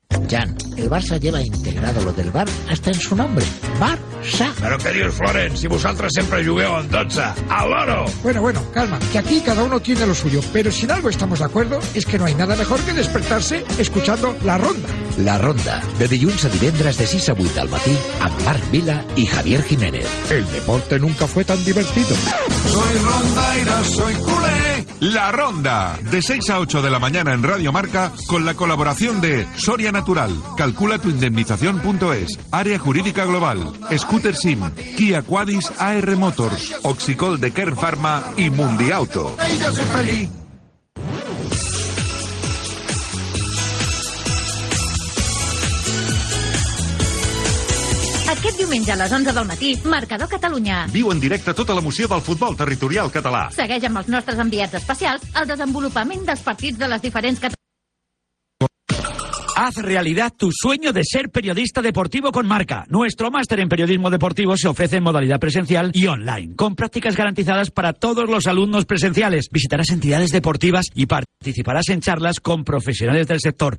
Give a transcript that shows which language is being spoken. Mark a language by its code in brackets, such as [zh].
[es] Jan, el Barça lleva integrado lo del bar hasta en su nombre. Barça. [ca] Però què dius, Florent? Si vosaltres sempre jugueu en 12. ¡Al oro! [es] Bueno, bueno, calma, que aquí cada uno tiene lo suyo. Pero si en algo estamos de acuerdo, es que no hay nada mejor que despertarse escuchando La Ronda. [ca] La Ronda, de dilluns a divendres de 6 a 8 del matí, amb Marc Vila i Javier Jiménez. [es] El deporte nunca fue tan divertido. Soy rondaira, soy culé. La Ronda, de 6 a 8 de la mañana en Radio Marca, con la colaboración de Soria Natural, calculatuindemnización.es, Área Jurídica Global, Scooter Sim, Kia Quadis AR Motors, Oxicol de Kern Pharma y Mundi Auto. [ca] Aquest diumenge a les 11 del matí, Marcador Catalunya. Viu en directe tota l'emoció del futbol territorial català. Segueix amb els nostres enviats especials el desenvolupament dels partits de les diferents [es] Haz realidad tu sueño de ser periodista deportivo con Marca. Nuestro máster en periodismo deportivo se ofrece en modalidad presencial y online, con prácticas garantizadas para todos los alumnos presenciales. Visitarás entidades deportivas y participarás en charlas con profesionales del sector.